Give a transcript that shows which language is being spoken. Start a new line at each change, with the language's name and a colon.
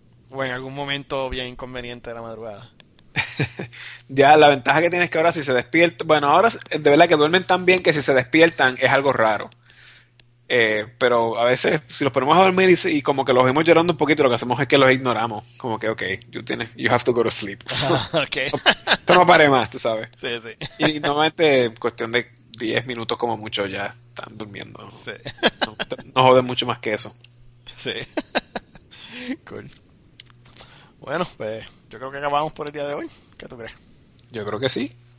Spanish: O en algún momento bien inconveniente de la madrugada. Ya, la ventaja que tienes es que ahora si se despierta, bueno, ahora de verdad que duermen tan bien que si se despiertan es algo raro. Pero a veces si los ponemos a dormir y como que los vemos llorando un poquito, lo que hacemos es que los ignoramos. Como que,
English: ok, you have to go to sleep. Okay.
Spanish: Esto no pare más, tú sabes. Sí. Y normalmente cuestión de 10 minutos como mucho ya están durmiendo. No, Sí. no joden mucho más que eso. Sí. Cool. Bueno, pues yo creo que acabamos por el día de hoy. ¿Qué tú crees? Yo creo que sí.